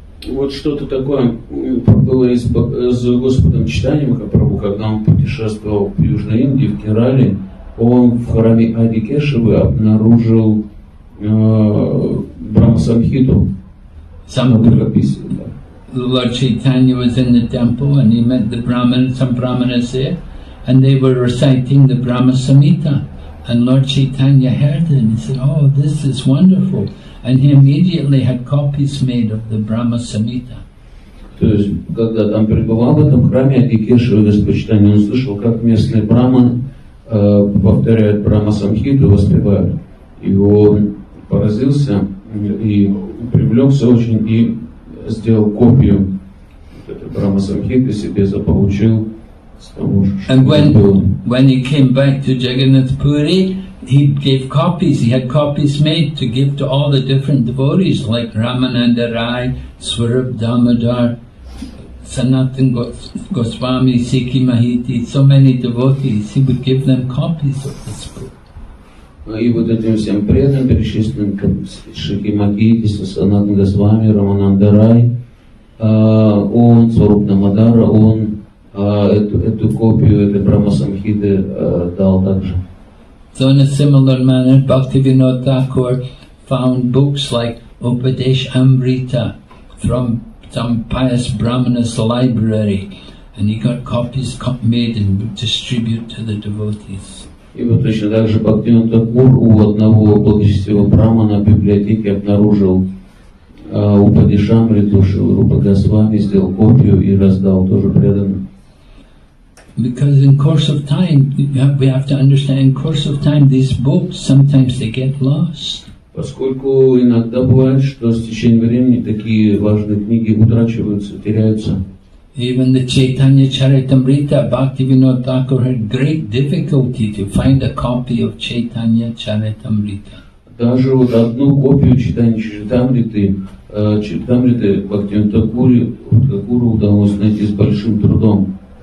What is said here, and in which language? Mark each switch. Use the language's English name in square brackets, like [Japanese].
[Russian] Вот что-то такое было с Господом Чайтанья Махапрабху, когда он путешествовал в Южной Индии, в Керале, он в храме Адикешавы обнаружил Брахма Самхиту. [English] Lord Chaitanya was in the temple and he met the Brahmins, some Brahmanas there, and they were reciting the Brahma Samhita. And Lord Chaitanya heard it and he said, oh, this is wonderful. And he immediately had copies made of the Brahma Samhita. [Russian] То есть, когда там пребывал в этом храме Адикешева Господь Чайтанья, он слышал, как местный Брахман повторяет Брахма Самхиту, воспевает. И он поразился и привлекся очень и сделал копию Брахма Самхиты себе, заполучил с того, что [English] And when he came back to Jagannath Puri, he gave copies, he had copies made to give to all the different devotees like Ramananda Rai, Swarup Damodar, Sanatan Goswami, Sikhi Mahiti, so many devotees, he would give them copies of this book. [Russian] И вот этим всем преданным, перечисленным, Шихи Махиди, Санатан Госвами, Рамананда Рай, он, Сваруп Дамодара, он эту копию, эту Брахма Самхиты дал также. [English] So in a similar manner, Bhaktivinoda Thakur found books like Upadesh Amrita from some pious Brahmanas library, and he got copies made and distributed to the devotees. [Russian] И вот точно так же Бхактивинода Такур у одного благочестивого брахмана в библиотеке обнаружил Упадешамриту Шрупа Госвами, сделал копию и раздал тоже преданным. [English] Because in course of time, we have to understand, in course of time, these books, sometimes they get lost. [Russian] Поскольку иногда бывает, что с течением времени такие важные книги утрачиваются, теряются. [English] Even the Chaitanya Charitamrita, Bhaktivinoda Thakur had great difficulty to find a copy of Chaitanya Charitamrita. [Russian] Даже вот одну копию Чайтаньи Чаритамриты Бхактивинода Такуру удалось найти с большим трудом.